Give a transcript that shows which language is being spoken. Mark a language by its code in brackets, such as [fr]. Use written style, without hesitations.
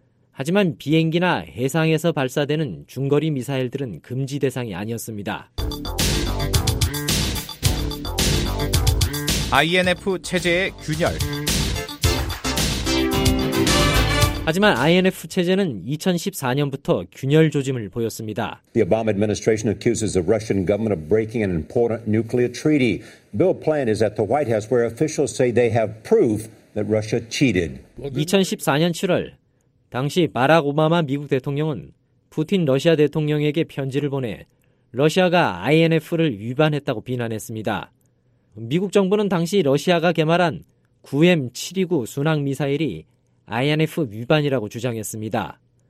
[ko] 하지만 비행기나 해상에서 발사되는 중거리 미사일들은 금지 대상이 아니었습니다. INF 체제의 균열. 하지만 INF 체제는 2014년부터 균열 조짐을 보였습니다. [en] The Obama administration accuses the Russian government of breaking an important nuclear treaty. Bill Plant is at the White House where officials say they have proof that Russia cheated. [ko] 2014년 7월, 당시 바락 오바마 미국 대통령은 푸틴 러시아 대통령에게 편지를 보내 러시아가 INF를 위반했다고 비난했습니다. 미국 정부는 당시 러시아가 개발한 9M729 순항 미사일이 INF 위반이라고 주장했습니다.